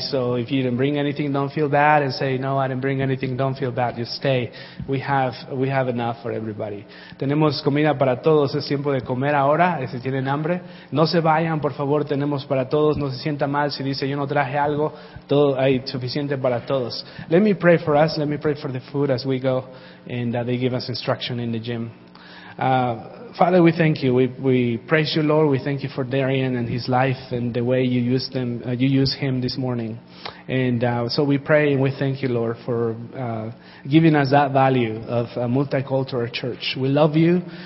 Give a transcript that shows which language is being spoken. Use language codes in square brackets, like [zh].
[en] So if you didn't bring anything, don't feel bad. And say, no, I didn't bring anything, don't feel bad. Just stay. We have enough for everybody. [es] Tenemos comida para todos. Es tiempo de comer ahora. Si tienen hambre, no se vayan, por favor. Tenemos para todos. No se sienta mal si dice, yo no traje algo. Todo hay suficiente para todos. [en] Let me pray for us. Let me pray for the food as we go. And they give us instruction in the gym. Father, we thank you. We praise you, Lord. We thank you for Darian and his life and the way you use them, you use him this morning. And so we pray and we thank you, Lord, for giving us that value of a multicultural church. We love you.